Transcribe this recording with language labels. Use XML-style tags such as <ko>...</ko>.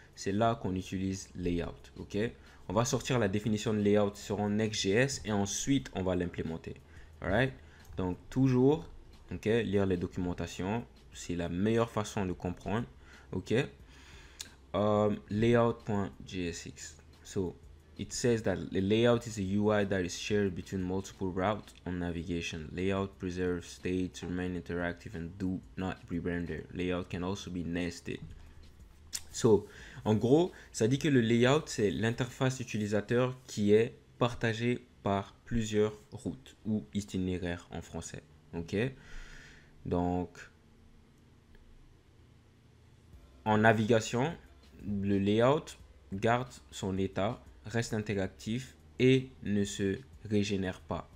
<fr>C'est là qu'on utilise layout. Ok? On va sortir la définition de layout sur Next.js et ensuite on va l'implémenter.</fr> <en>Alright?</en> <fr>Donc, toujours. Ok, lire les documentations, c'est la meilleure façon de comprendre. Ok, layout.jsx. So,</fr> <en>It says that the layout is a UI that is shared between multiple routes on navigation. Layout preserves states, remain interactive, and do not re-render. Layout can also be nested.</en> <fr>So, en gros, ça dit que le layout, c'est l'interface utilisateur qui est partagée par plusieurs routes ou itinéraires en français. Ok? Donc, en navigation, le layout garde son état, reste interactif et ne se régénère pas.</fr>